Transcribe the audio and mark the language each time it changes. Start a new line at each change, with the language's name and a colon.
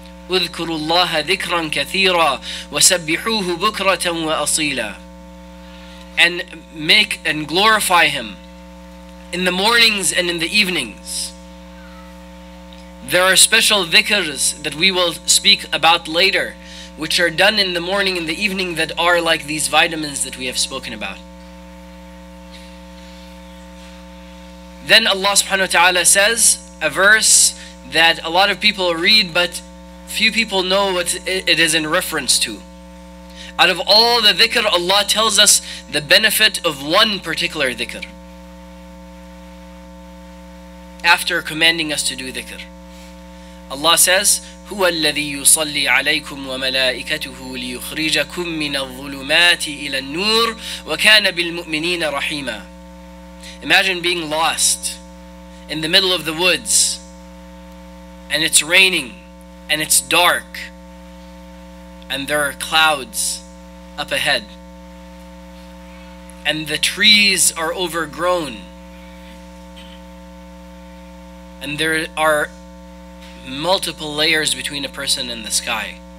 Arabic: اذكروا الله ذكرا كثيرا وسبحوه بكرة وأصيلا.
English: And make and glorify him in the mornings and in the evenings. There are special dhikrs that we will speak about later, which are done in the morning and the evening, that are like these vitamins that we have spoken about. Then Allah subhanahu wa ta'ala says a verse that a lot of people read, but few people know what it is in reference to. Out of all the dhikr, Allah tells us the benefit of one particular dhikr after commanding us to do dhikr. Allah says,
Arabic: هو الذي يصلي عليكم وملائكته ليخرجكم من الظلمات إلى النور وكان بالمؤمنين رحيما.
English: Imagine being lost in the middle of the woods and it's raining and it's dark, and there are clouds up ahead, and the trees are overgrown, and there are multiple layers between a person and the sky.